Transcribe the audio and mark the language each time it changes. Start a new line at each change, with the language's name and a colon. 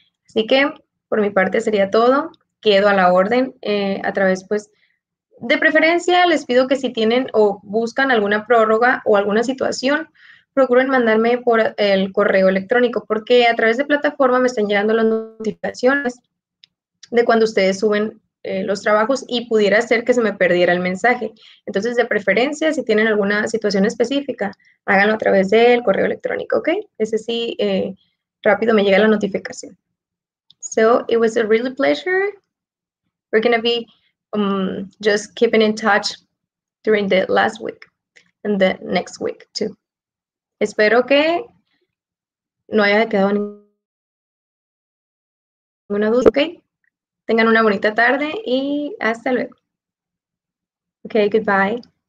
Spanish: Así que, por mi parte, sería todo. Quedo a la orden a través, pues, de preferencia les pido que si tienen o buscan alguna prórroga o alguna situación, procuren mandarme por el correo electrónico, porque a través de plataforma me están llegando las notificaciones de cuando ustedes suben los trabajos y pudiera ser que se me perdiera el mensaje. Entonces, de preferencia, si tienen alguna situación específica, háganlo a través del correo electrónico, ¿ok? Ese sí, rápido me llega la notificación.
English: So, it was a really pleasure. We're going to be just keeping in touch during the last week and the next week, too.
Spanish: Espero que no haya quedado ningún ninguna duda, ¿ok? Tengan una bonita tarde y hasta luego.
English: Okay, goodbye.